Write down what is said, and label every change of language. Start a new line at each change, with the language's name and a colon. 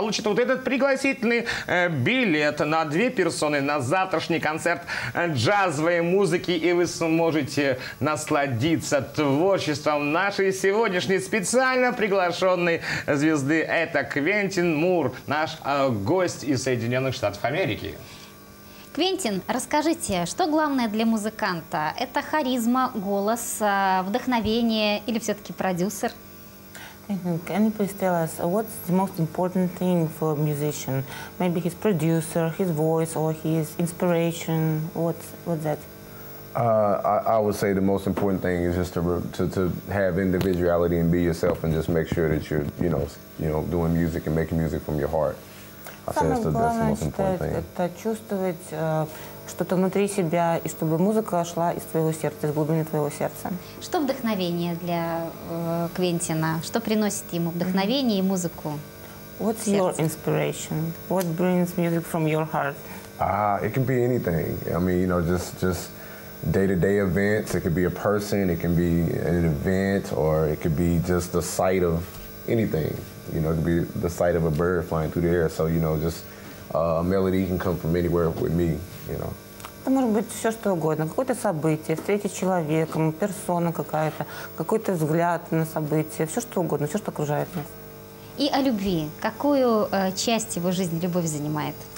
Russian: Получит вот этот пригласительный билет на две персоны на завтрашний концерт джазовой музыки, и вы сможете насладиться творчеством нашей сегодняшней специально приглашенной звезды. Это Квентин Мур, наш гость из Соединенных Штатов Америки. Квентин, расскажите, что главное для музыканта? Это харизма, голос, вдохновение или все-таки продюсер?
English: Can you please tell us what's the most important thing for a musician? Maybe his producer, his voice, or his inspiration. What's that? I would say the most important thing is just to have individuality and be yourself, and just make sure that you're doing music and making music from your heart.
Russian: Самое главное, это чувствовать что-то внутри себя, и чтобы музыка шла из твоего сердца, из глубины твоего сердца. Что вдохновение для Квентина? Что приносит ему вдохновение и музыку?
English: What's your inspiration? What brings music from your heart? It can be anything. I mean, you know, just day-to-day events. It could be a person, it can be an event, or it could be just the sight of anything. You know, it could be the sight of a bird flying through the air. So, you know, just a melody can come from anywhere with me, you know.
Russian: Это может быть все, что угодно. Какое-то событие, встреча с человеком, персона какая-то, какой-то взгляд на событие, все, что угодно, все, что окружает нас. И о любви. Какую часть его жизни любовь занимает?